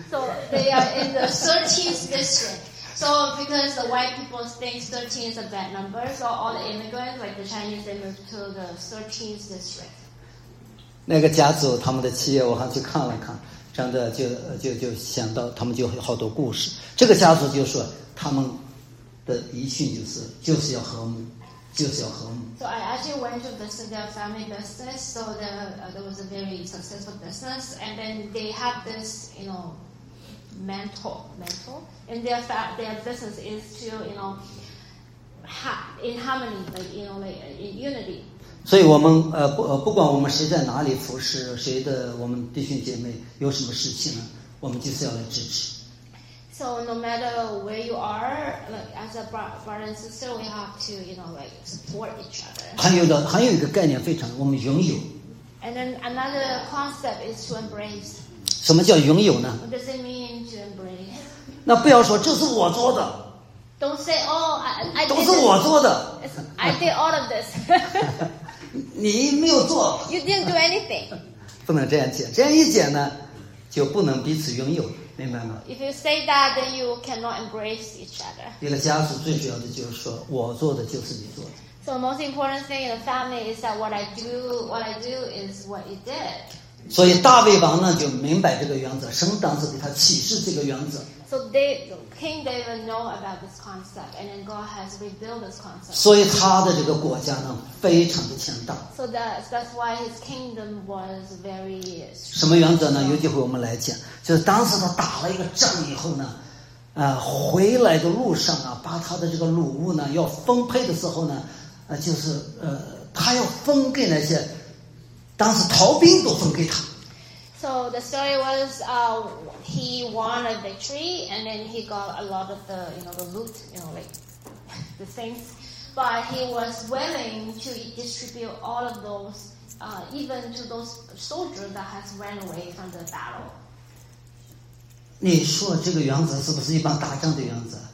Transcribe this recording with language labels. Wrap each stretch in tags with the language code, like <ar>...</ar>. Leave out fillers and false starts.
<en>So they are in the 13th district. So because the white people think 13 is a bad number, so all the immigrants, like the Chinese, they moved to the 13th district.</en> <zh>那个家族他们的企业，我还去看了看。这样的就想到他们就有好多故事。这个家族就说他们的遗训就是要和睦，就是要和睦。</zh> <en>So I actually went to visit their family business. So there was a very successful business, and then they have this, you know, mentor, and their business is to, you know, in harmony, like, you know, like, in unity.</en> <zh>所以我们不管我们谁在哪里服侍谁的，我们弟兄姐妹有什么事情呢，我们就是要来支持。</zh> <en>So no matter where you are, like, as a brother and sister, we have to, you know, like, support each other.</en> <zh>还有一个概念非常，我们拥有。</zh> <en>And then another concept is to embrace.</en> <zh>什么叫拥有呢</zh> <en>？What does it mean to embrace?</en> <zh>那不要说这是我做的。</zh> <en>Don't say, oh, I did.</en> <zh>都是我做的。</zh> <en>I did all of this.</en> <zh>你没有做。</zh> <en>You didn't do anything.</en> <zh>不能这样讲，这样一讲呢，就不能彼此拥有，明白吗</zh> <en>？If you say that, then you cannot embrace each other.</en> <zh>一个家族最主要的就是说，我做的就是你做的。</zh> <en>So most important thing in the family is that what I do is what you did.</en> <zh>所以大卫王呢就明白这个原则，神当时给他启示这个原则。</zh> <en>So King David know about this concept, and then God has revealed this concept.</en> <zh>所以他的这个国家呢，非常的强大。</zh> <en>So that's why his kingdom was very strong.</en> <zh>什么原则呢？有机会我们来讲。就是当时他打了一个仗以后呢，回来的路上啊，把他的这个掳物呢要分配的时候呢，就是他要分给那些。当时逃兵都分给他。</zh> <en>So the story was, he won a victory, and then he got a lot of the, you know, the loot, you know, like the things. But he was willing to distribute all of those, even to those soldiers that has ran away from the battle.</en> <zh>你说这个原则是不是一般打仗的原则？</zh>